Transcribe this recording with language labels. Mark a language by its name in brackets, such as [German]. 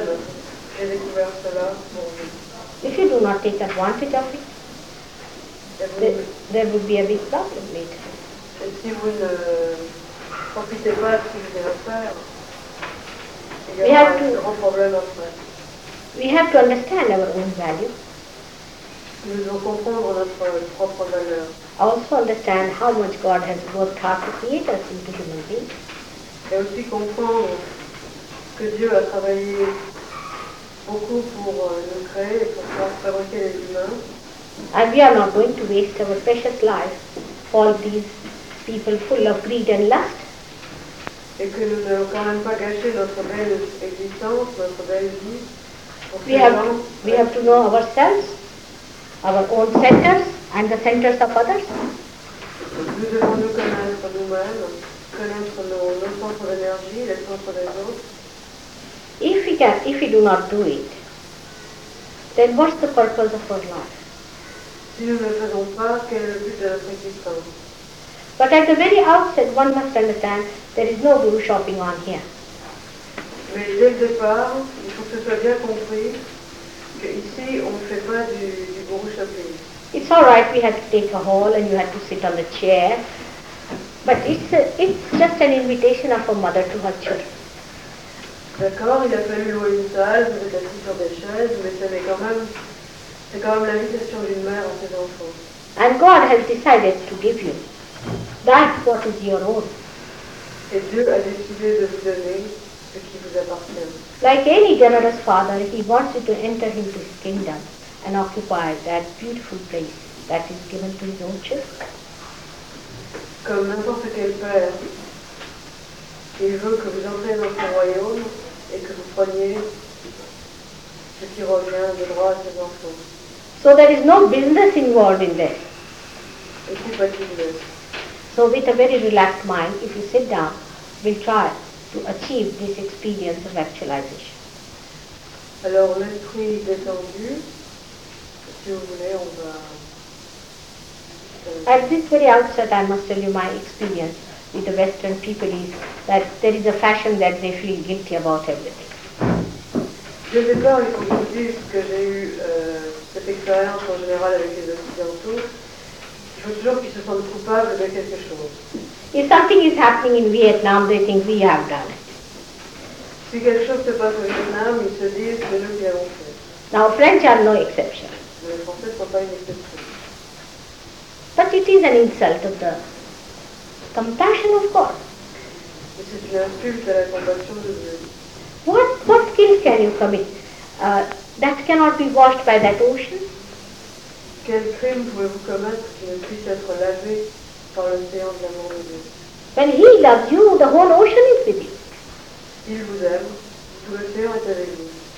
[English] If you do not take advantage of it, there would be a big problem later. [French] Et si vous ne profitez pas de ce que vous avez à faire, il y a un grand problème après. [English] We have to understand our own value. [French] Nous devons comprendre notre propre valeur. [English] Also understand how much God has worked hard to create us into human beings. [French] Et aussi comprendre que Dieu a travaillé beaucoup pour nous créer et pour pouvoir fabriquer les humains. [English] And we are not going to waste our precious life for all these people full of greed and lust. [French] Et que nous n'allons quand même pas gâcher notre belle existence, notre belle vie. [English] We have to know ourselves, our own centers, and the centers of others. [French] Nous devons nous connaître nous-mêmes, connaître nos centres d'énergie, les centres des autres. [English] If we do not do it, then what's the purpose of our life? [French] Si nous ne le faisons pas, quel est le but de notre existence? [English] But at the very outset, one must understand there is no guru shopping on here. [French] Mais dès le départ, il faut que ce soit bien compris qu'ici, on ne fait pas du guru shopping. [English] It's all right, we had to take a hall and you had to sit on the chair. But it's just an invitation of a mother to her children. [French] D'accord, il a fallu louer une salle, vous êtes assis sur des chaises, mais c'est quand même l'invitation d'une mère à ses enfants. [English] And God has decided to give you that what is your own. [French] Et Dieu a décidé de vous donner ce qui vous appartient. [English] Like any generous father, he wants you to enter into his kingdom and occupy that beautiful place that is given to his own children. [French] Comme n'importe quel père, il veut que vous entrez dans son royaume et que vous preniez ce qui revient de droit à ses enfants. [English] So there is no business involved in this. [French] Et c'est pas de business. [English] So with a very relaxed mind, if you sit down, we'll try to achieve this experience of actualization. [French] Alors, l'esprit détendu, si vous voulez, on va... [English] At this very outset, I must tell you my experience with the Western people is that there is a fashion that they feel guilty about everything. [French] Je ne sais pas, il faut que vous dise que j'ai eu cette expérience en général avec les Occidentaux. Il faut toujours qu'ils se sentent coupables de quelque chose. [English] If something is happening in Vietnam, they think we have done it. [French] Si quelque chose se passe au Vietnam, ils se disent que nous y avons fait. [English] Now, French are no exception. [French] Mais les Français ne sont pas une exception. [English] But it is an insult of the compassion of God. [French] Mais c'est une insulte à la compassion de Dieu. [English] What guilt can you commit that cannot be washed by that ocean? [French] Quel crime pouvez-vous commettre qui ne puisse être lavé? [English] When he loves you, the whole ocean is with you. [French] Il vous aime, tout l'océan est avec vous.